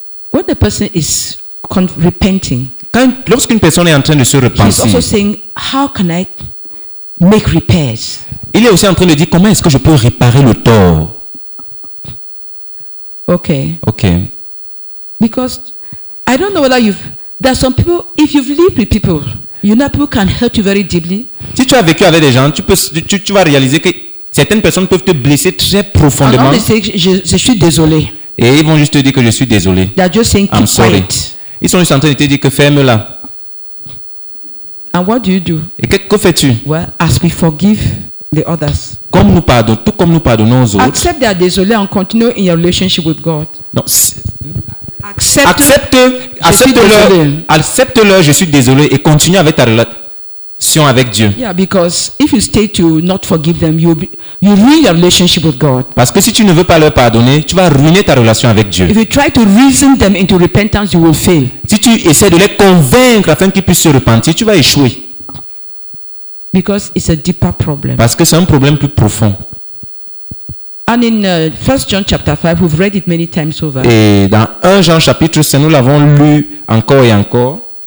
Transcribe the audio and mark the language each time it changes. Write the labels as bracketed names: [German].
[English] When a person is repenting, [French] lorsqu'une personne est en train de se repentir, [English] he's also saying, how can I make repairs? [French] Il est aussi en train de dire comment est-ce que je peux réparer le tort. [English] Okay. Okay. Because I don't know whether there are some people, if you've lived with people, you know people can hurt you very deeply. [French] Si tu as vécu avec des gens, tu vas réaliser que certaines personnes peuvent te blesser très profondément. Alors, je suis désolé. Et ils vont juste te dire que je suis désolé. [English] They're just saying, keep I'm sorry. Quiet. [French] Ils sont juste en train de te dire que ferme-la. [English] And what do you do? [French] Et que fais-tu? [English] Well, as we forgive the others. [French] Comme nous pardonnons, tout comme nous pardonnons aux autres. [English] Accept that désolé and continue in your relationship with God. [French] Non. Accepte-le, je suis désolé et continue avec ta relation avec Dieu. [English] Yeah, because if you stay to not forgive them, you ruin your relationship with God. [French] Parce que si tu ne veux pas leur pardonner, tu vas ruiner ta relation avec Dieu. [English] If you try to reason them into repentance, you will fail. [French] Si tu essaies de les convaincre afin qu'ils puissent se repentir, tu vas échouer. [English] Because it's a deeper problem. [French] Parce que c'est un problème plus profond. [English] And in 1 John chapter 5, we've read it many times over. [French] Et dans 1 Jean chapitre 5, nous l'avons lu encore et encore.